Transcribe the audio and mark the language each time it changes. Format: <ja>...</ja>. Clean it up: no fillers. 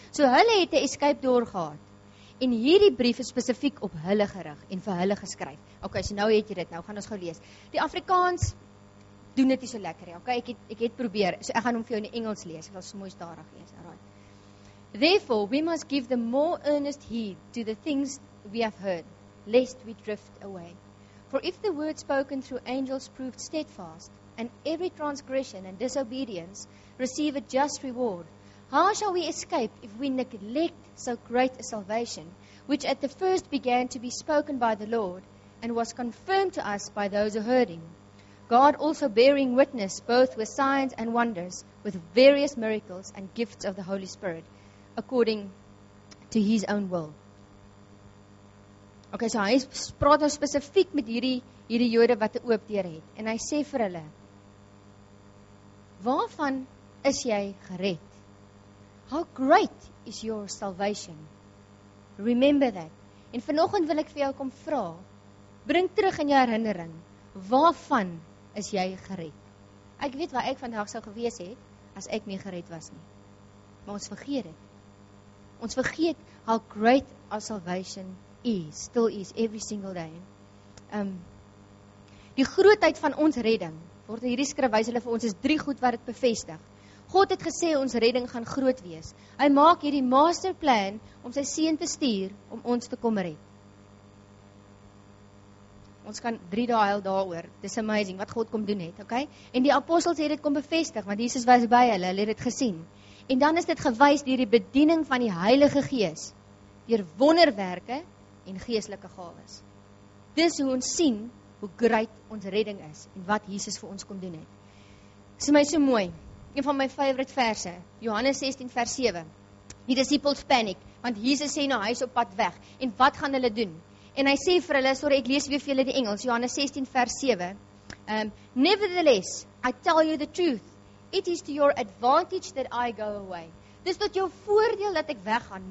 <af>So hulle het die escape doorgehaad, en hierdie brief is specifiek op hulle gerig, en vir hulle geskryf. Ok, so nou het jy dit, nou gaan ons gauw lees. Die Afrikaans doen dit nie so lekker nie. Okay, ek het probeer. So ek gaan hom vir jou in Engels lees. Ek sal so mooi stadig lees.</af> <en>Alright. Therefore, we must give the more earnest heed to the things we have heard, lest we drift away. For if the word spoken through angels proved steadfast, and every transgression and disobedience receive a just reward, how shall we escape if we neglect so great a salvation, which at the first began to be spoken by the Lord, and was confirmed to us by those who heard him? God also bearing witness both with signs and wonders, with various miracles and gifts of the Holy Spirit, according to his own will.</en> <af>Okay, so hy praat nou spesifiek met hierdie Jode wat 'n oop deur het. En hy sê vir hulle, waarvan is jy gered?</af> <en>How great is your salvation? Remember that.</en> <af>En vanoggend wil ek vir jou kom vra, bring terug in jou herinnering, waarvan is jy gered? Ek weet waar ek vandag sou gewees het, as ek nie gered was nie. Maar ons vergeet dit. Ons vergeet</af> <en>how great our salvation is, still is, every single day.</en> <af>Die grootheid van ons redding, word in hierdie skrif wys hulle vir ons, is drie goed wat het bevestig. God het gesê ons redding gaan groot wees. Hy maak hierdie masterplan om sy seun te stuur om ons te kom red. Ons kan 3 dae huil daaroor. Dis amazing wat God kom doen het, okay? En die apostels het dit kom bevestig, want Jesus was by hulle, hulle het dit gesien. En dan is dit gewys deur die bediening van die Heilige Gees, deur wonderwerke en geestelike gawes. Dis hoe ons sien hoe groot ons redding is en wat Jesus vir ons kom doen het. Dis vir my so mooi. Een van my favorite verse, Johannes 16 vers 7. Die disciples panic, want Jesus sê nou hy is op pad weg. En wat gaan hulle doen? En hy sê vir hulle, sorry, ek lees weer vir julle die Engels, Johannes 16 vers 7.</af> <en>Nevertheless, I tell you the truth. It is to your advantage that I go away.</en> <af>Dis tot jou voordeel dat ek weggaan.</af>